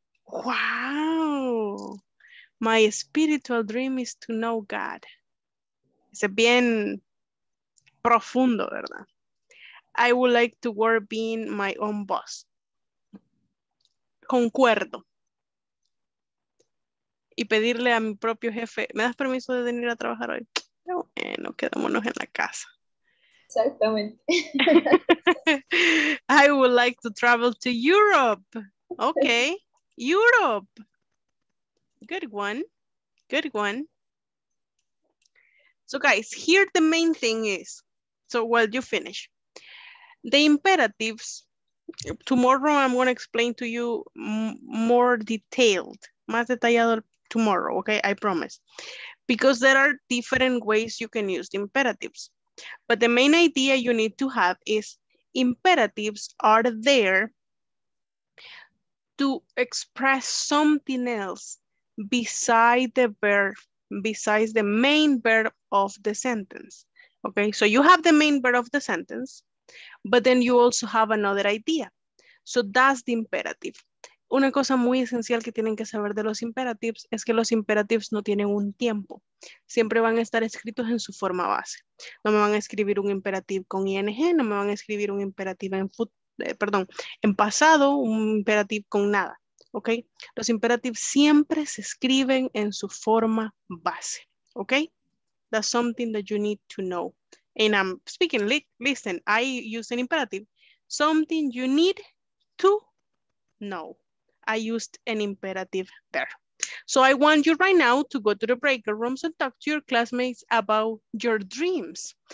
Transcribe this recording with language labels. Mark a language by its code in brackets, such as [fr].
[en] Wow, my spiritual dream is to know God. [es] Es bien profundo, ¿verdad? [en] I would like to work being my own boss. [es] Concuerdo. Y pedirle a mi propio jefe, ¿me das permiso de venir a trabajar hoy? No, bueno, quedémonos en la casa. Exactamente. [en] I would like to travel to Europe. Okay. Europe, good one. So guys, here the main thing is, so while you finish, the imperatives, tomorrow I'm going to explain to you more detailed, [es] más detallado [en] tomorrow, okay, I promise, because there are different ways you can use the imperatives, but the main idea you need to have is imperatives are there to express something else beside the verb, besides the main verb of the sentence. Okay, so you have the main verb of the sentence, but then you also have another idea. So that's the imperative. [es] Una cosa muy esencial que tienen que saber de los imperatives es que los imperatives no tienen un tiempo. Siempre van a estar escritos en su forma base. No me van a escribir un imperative con ing, no me van a escribir un imperative en futuro. Perdón, en pasado, un imperativo con nada, ¿ok? Los imperativos siempre se escriben en su forma base, ¿ok? [en] That's something that you need to know. And I'm speaking, listen, I use an imperative. Something you need to know. I used an imperative there. So I want you right now to go to the breakout rooms and talk to your classmates about your dreams.